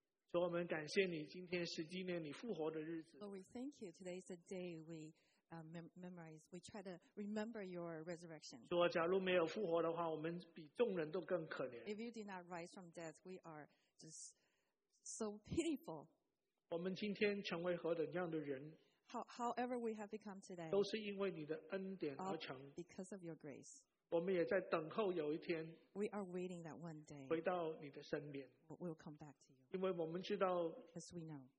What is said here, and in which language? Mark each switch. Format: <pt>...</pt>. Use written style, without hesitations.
<zh>主，我们感谢你，今天是纪念你复活的日子。</zh> <en>Lord, we thank you. Today is the day we memorize. We try to remember your resurrection.</en> <zh>主，假如没有复活的话，我们比众人都更可怜。</zh> <en>If you did not rise from death, we are just so pitiful.</en> <zh>我们今天成为何等样的人？</zh> <en>However we have become today,</en> <zh>都是因为你的恩典而成,</zh> <en>because of your grace.</en> <zh>我们也在等候有一天,</zh> <en>we are waiting that one day,</en> <zh>回到你的身边,</zh> <en>we'll come back to you.</en> <zh>因为我们知道,</zh> <en>because we know,</en>